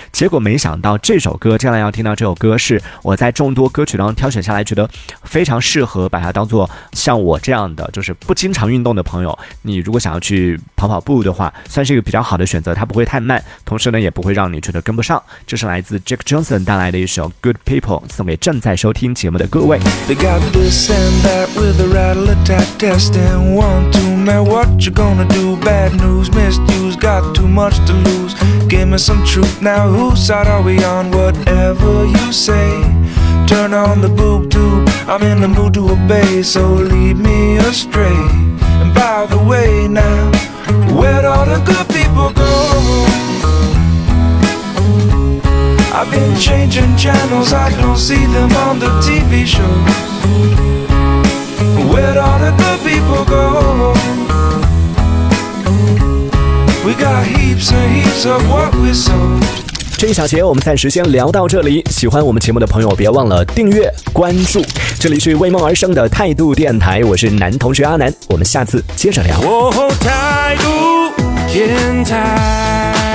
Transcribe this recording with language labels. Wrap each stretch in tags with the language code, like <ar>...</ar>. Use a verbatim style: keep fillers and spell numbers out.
<zh>结果没想到这首歌，将来要听到这首歌是我在众多歌曲当中挑选下来，觉得非常适合把它当做像我这样的就是不经常运动的朋友，你如果想要去跑跑步的话，算是一个比较好的选择，它不会太慢，同时呢也不会让你觉得跟不上。这是来自 Jack Johnson 带来的一首 Good People， 送给正在收听节目的各位。</zh> <en>They got this and that with a rattle attack test and one too many what you gonna do bad news misuse got too much to lose give me some truth now whose side are we on whatever you say turn on the boob tube I'm in the mood to obey so lead me astray and by the way now where'd all the good people go? I've been changing channels, I don't see them on the T V shows. Where'd all the good people go? We got heaps and heaps of what we sow.</en> <zh>这一小节我们暂时先聊到这里，喜欢我们节目的朋友别忘了订阅关注，这里是为梦而生的态度电台，我是男同学阿南，我们下次接着聊。哦，态度电台。</zh>